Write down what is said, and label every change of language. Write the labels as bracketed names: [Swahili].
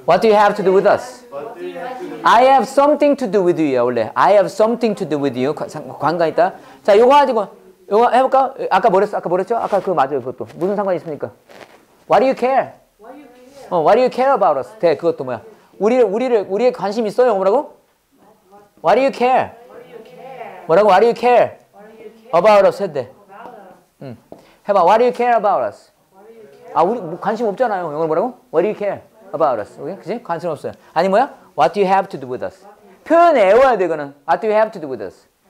[English] What do you have to do with us? I have something to do with you. [Korean] 원래 [English] I have something to do with you. [Korean] 관가 있다. 자, 요거 가지고 요거 해볼까? 아까 뭐랬죠? 아까 그거 맞아요. 그것도 무슨 상관이 있습니까? [English] What do you care? What do you care about us? [Korean] 대 그것도 뭐야? 우리의 관심 있어요. 뭐라고? [English] What do you care? [Korean] 뭐라고? [English] What do you care about us? [Korean] 대 해봐. [English] What do you care about us? [Korean] 아, 우리 뭐 관심 없잖아요. 영어로 뭐라고? [English] What do you care about us? [Korean] 그치? 관심 없어요. 아니, 뭐야? [English] What do you have to do with us? [Korean] 표현 외워야 돼, 이거는. [English] What do you have to do with us?